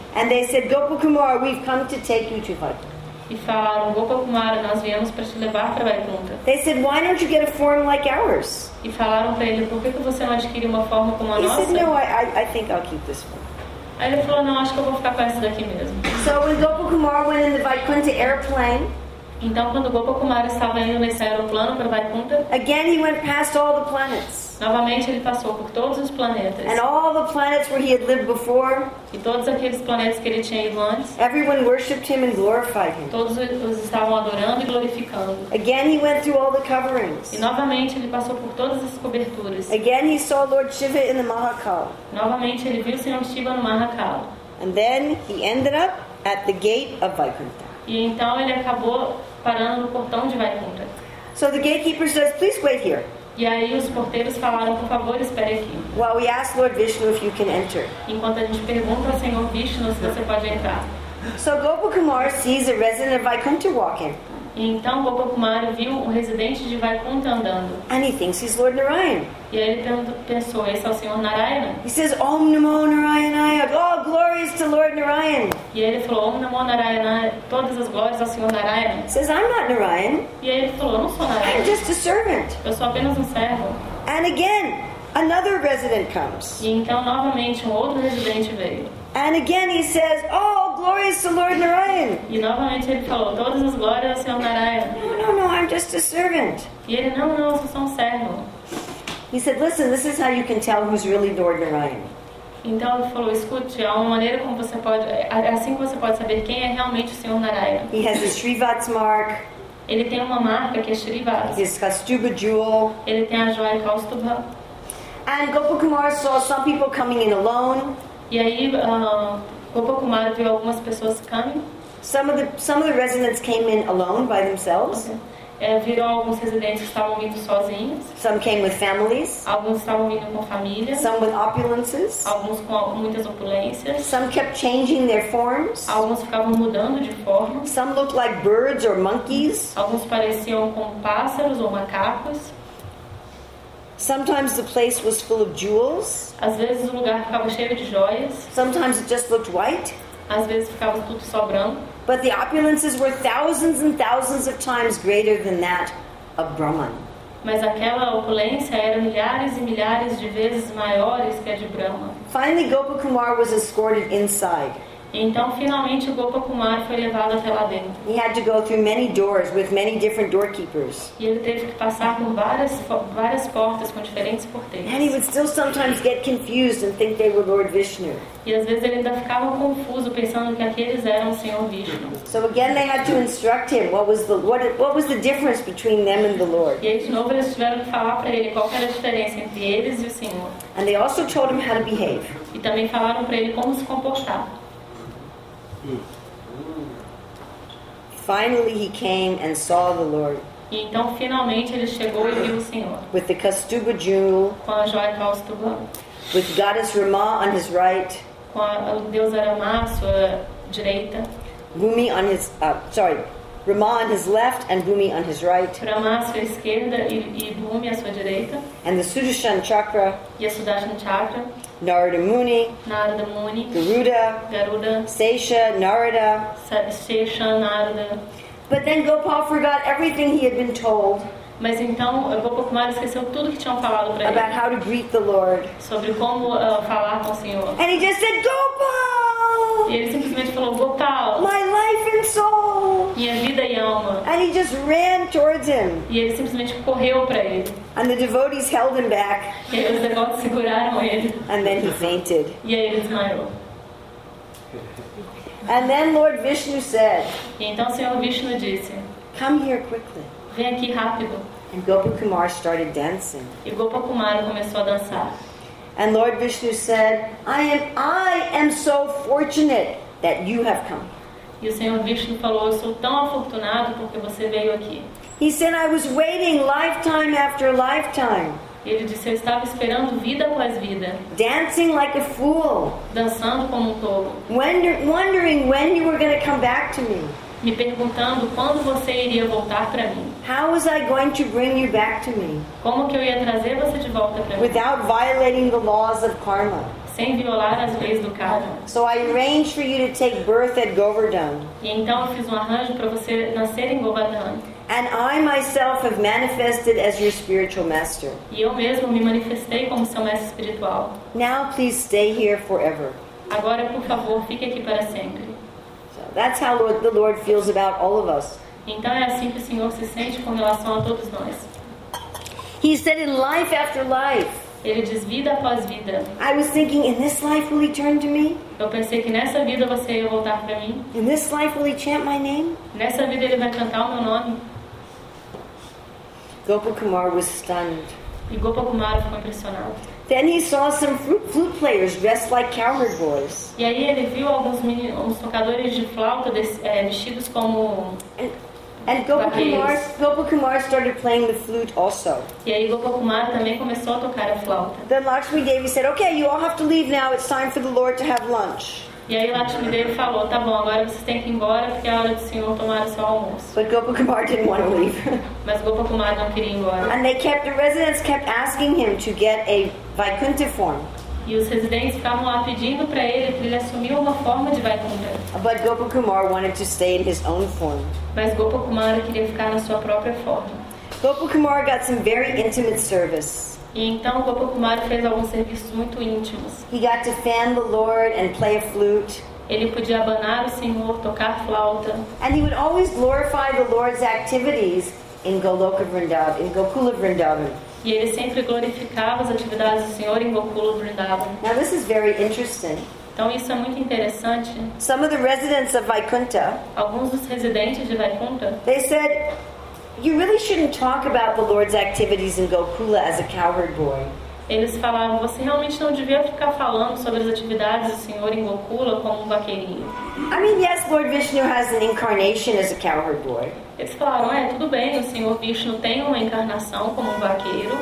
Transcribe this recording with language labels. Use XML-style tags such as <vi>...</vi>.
<en>And they said, Gopakumara, we've come to take you to Vaikuntha.</en> <pt>E falaram, Gopakumara, nós viemos para te levar para Vaikuntha.</pt> <en>They said, why don't you get a form like ours?</en> <pt>E falaram para ele, por que você não adquire uma forma como a</pt> <en>he</en> <pt>nossa?</pt> <en>He said, no, I think I'll keep this one.</en> <pt>Aí ele falou, não, acho que eu vou ficar com essa daqui mesmo.</pt> <en>So when Gopakumara went in the Vaikuntha airplane.</en> <pt>Então quando Gopakumara estava indo nesse aeroplano para Vaikuntha.</pt> <en>Again he went past all the planets.</en> <pt>Novamente ele passou por todos os planetas.</pt> <en>And all the planets where he had lived before.</en> <pt>E todos aqueles planetas que ele tinha ido antes.</pt> <en>Everyone worshipped him and glorified him.</en> <pt>Todos os estavam adorando e glorificando.</pt> <en>Again he went through all the coverings.</en> <pt>E novamente ele passou por todas as coberturas.</pt> <en>Again he saw Lord Shiva in the Mahakal.</en> <pt>Novamente ele viu o Senhor Shiva no Mahakal.</pt> <en>And then he ended up at the gate of Vaikuntha.</en> <pt>E então ele acabou parando no portão de Vaikuntha.</pt> <en>So the gatekeeper says, please wait here.</en> <pt>E aí os porteiros falaram, por favor, espere aqui.</pt> <en>While we ask Lord Vishnu if you can enter.</en> <pt>Enquanto a gente pergunta ao Senhor Vishnu se você pode entrar.</pt> <en>So Gopakumara sees a resident of Vaikuntha walking.</en> <pt>E então Gopakumara viu um residente de Vaikuntha andando.</pt> <en>And he thinks he's Lord Narayana.</en> <pt>E aí ele pensou, esse é o Senhor Narayana.</pt> <en>He says, Om Namo Narayanaya, all glories to Lord Narayana.</en> <pt>E aí ele falou, Om Namo Narayanaya, todas as glórias ao Senhor Narayana.</pt> <en>He says, I'm not Narayana.</en> <pt>E aí ele falou, não sou Narayana.</pt> <en>I'm just a servant.</en> <pt>Eu sou apenas servo.</pt> <en>And again, another resident comes.</en> <pt>E então novamente outro residente veio.</pt> <en>And again he says, oh, glories to Lord Narayana.</en> <pt>E novamente ele falou, todas as glórias ao Senhor Narayana.</pt> <en>No, I'm just a servant.</en> <pt>E ele, não, eu sou só servo.</pt> <en>He said, listen, this is how you can tell who's really Lord Narayana.</en> <pt>Então ele falou, escute, é uma maneira como você pode, assim que você pode saber quem é realmente o Senhor Narayana.</pt> <en>He has a Srivats mark.</en> <pt>Ele tem uma marca que é Srivats.</pt> <en>His Kastubha jewel.</en> <pt>Ele tem a joia Kastubha.</pt> <en>And Gopakumara saw some people coming in alone.</en> <pt>E aí, Gopakumara viu algumas pessoas</pt> <en>coming. Some of the residents came in alone by themselves.</en> <pt>Okay. Viram alguns residentes que estavam vindo sozinhos.</pt> <en>Some came with families.</en> <pt>Alguns estavam vindo com família.</pt> <en>Some with opulences.</en> <pt>Alguns com muitas opulências.</pt> <en>Some kept changing their forms.</en> <pt>Alguns ficavam mudando de forma.</pt> <en>Some looked like birds or monkeys.</en> <pt>Alguns pareciam com pássaros ou macacos.</pt> <en>Sometimes the place was full of jewels.</en> <pt>Às vezes o lugar ficava cheio de joias.</pt> <en>Sometimes it just looked white.</en> <pt>Às vezes ficava tudo só branco.</pt> <en>But the opulences were thousands and thousands of times greater than that of Brahman.</en> <pt>Mas aquela opulência era milhares e milhares de vezes maiores que a de Brahma.</pt> <en>Finally, Gopakumara was escorted inside.</en> <pt>Então, finalmente, o Gopakumara foi levado até lá dentro.</pt> <en>He had to go through many doors with many different doorkeepers.</en> <pt>E ele teve que passar por várias portas com diferentes porteiros.</pt> <en>And he would still sometimes get confused and think they were Lord Vishnu.</en> <pt>E às vezes ele ainda ficava confuso pensando que aqueles eram o Senhor Vishnu.</pt> <en>So again, they had to instruct him what was the difference between them and the Lord.</en> <pt>E aí, de novo, eles tiveram que falar para ele qual era a diferença entre eles e o Senhor.</pt> <en>And they also told him how to behave.</en> <pt>E também falaram para ele como se comportar.</pt> <en>Finally he came and saw the Lord.</en> <pt>E então finalmente ele chegou e viu o Senhor.</pt> <en>With the Kastubha jewel.</en> <pt>Com a joia Kastubha.</pt> <en>With Goddess Rama on his right.</en> <pt>Com a deusa Rama à sua direita.</pt> <en>Bhumi on his Rama on his left and Bhumi on his right.</en> <pt>Rama à sua esquerda e Bhumi à sua direita.</pt> <en>And the Sudarshan Chakra.</en> <pt>E a Sudarshan Chakra.</pt> <en>Narada Muni.</en> <pt>Narada Muni.</pt> <en>Garuda.</en> <pt>Garuda.</pt> <en>Sesha Narada.</en> <pt>Sesha Narada.</pt> <en>But then Gopal forgot everything he had been told.</en> <pt>Mas então Gopal Kumar esqueceu tudo que tinham falado para ele.</pt> <en>About how to greet the Lord.</en> <pt>Sobre como falar com o Senhor.</pt> <en>And he just said, Gopal.</en> <pt>E ele simplesmente falou, Gopal.</pt> <en>My life and soul.</en> <pt>Minha vida e alma.</pt> <en>And he just ran towards him.</en> <pt>E ele simplesmente correu para ele.</pt> <en>And the devotees held him back.</en> <pt>E os devotos seguraram ele.</pt> <en>And then he fainted.</en> <pt>E aí ele desmaiou.</pt> <en>And then Lord Vishnu said.</en> <pt>E então o Senhor Vishnu disse.</pt> <en>Come here quickly.</en> <pt>Vem aqui rápido.</pt> <en>And Gopal Kumar started dancing.</en> <pt>E Gopal Kumar começou a dançar.</pt> <en>And Lord Vishnu said, I am so fortunate that you have come.</en> <pt>E o Senhor Vishnu falou, eu sou tão afortunado porque você veio aqui.</pt> <en>He said, I was waiting lifetime after lifetime.</en> <pt>Ele disse, eu estava esperando vida após vida.</pt> <en>Dancing like a fool.</en> <pt>Dançando como um tolo.</pt> <en>Wondering when you were going to come back to me.</en> <pt>Me perguntando quando você iria voltar para mim.</pt> <en>How was I going to bring you back to me?</en> <pt>Como que eu ia trazer você de volta para mim?</pt> <en>Without violating the laws of karma.</en> <pt>Sem violar as leis do karma.</pt> <en>So I arranged for you to take birth at Govardhan.</en> <pt>E então eu fiz um arranjo para você nascer em Govardhan.</pt> <en>And I myself have manifested as your spiritual master.</en> <pt>E eu mesmo me manifestei como seu mestre espiritual.</pt> <en>Now please stay here forever.</en> <pt>Agora, por favor, fique aqui para sempre.</pt> <en>So that's how the Lord feels about all of us.</en> <pt>Então é assim que o Senhor se sente com relação a todos nós.</pt> <en>He said in life after life.</en> <pt>Ele diz vida após vida.</pt> <en>I was thinking, in this life will he turn to me?</en> <pt>Eu pensei que nessa vida você ia voltar para mim.</pt> <en>In this life will he chant my name?</en> <pt>Nessa vida ele vai cantar o meu nome.</pt> <en>Gopal Kumar was stunned.</en> <pt>E Gopal Kumar ficou impressionado.</pt> <en>Then he saw some flute players dressed like cowherd boys.</en> <pt>E aí ele viu alguns meninos, tocadores de flauta vestidos como.</pt> <en>And Gopal Kumar started playing the flute also.</en> <pt>E aí Gopal Kumar também começou a tocar a flauta.</pt> <en>Then Lakshmi Devi said, "Okay, you all have to leave now. It's time for the Lord to have lunch."</en> <pt>E aí Lakshmi Devi falou, tá bom, agora vocês têm que ir embora porque é hora do Senhor tomar o seu almoço.</pt> <en>But Gopal Kumar didn't want to leave.</en> <pt>Mas Gopal Kumar não queria ir embora.</pt> <en>And the residents kept asking him to get a Vaikuntha form.</en> <pt>E os residentes ficavam lá pedindo para ele que ele assumiu uma forma de Vaikuntha.</pt> <en>But Gopal Kumar wanted to stay in his own form.</en> <pt>Mas Gopal Kumar queria ficar na sua própria forma.</pt> <en>Gopal Kumar got some very intimate service.</en> <pt>E então Gopal Kumar fez alguns serviços muito íntimos.</pt> <en>He got to fan the Lord and play a flute.</en> <pt>Ele podia abanar o Senhor, tocar flauta.</pt> <en>And he would always glorify the Lord's activities in Goloka Vrindavan, in Gokula Vrindavan.</en> <pt>E ele sempre glorificava as atividades do Senhor em Gokula Vrindavan.</pt> <en>Now this is very interesting.</en> <pt>Então isso é muito interessante.</pt> <en>Some of the residents of Vaikuntha.</en> <pt>Alguns dos residentes de Vaikuntha.</pt> <en>They said, you really shouldn't talk about the Lord's activities in Gokula as a cowherd boy.</en> <pt>Eles falavam, você realmente não devia ficar falando sobre as atividades do Senhor em Gokula como um vaqueirinho.</pt> <en>I mean, yes, Lord Vishnu has an incarnation as a cowherd boy.</en> <pt>Eles falaram, tudo bem, o Senhor Vishnu tem uma encarnação como um vaqueiro.</pt>